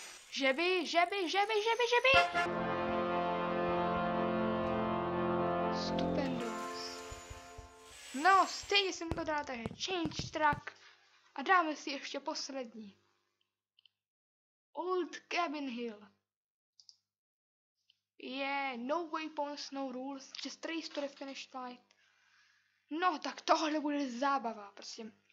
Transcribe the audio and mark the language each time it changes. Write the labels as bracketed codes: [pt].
[cs] Žeby, žeby, žeby, žeby, žeby! Stupendous. No, stejně jsem to dala, takže change track. A dáme si ještě poslední. [en] Old Cabin Hill. Je yeah, no waypoints, no rules, just race to the finish line. [cs] No, tak tohle bude zábava, prosím.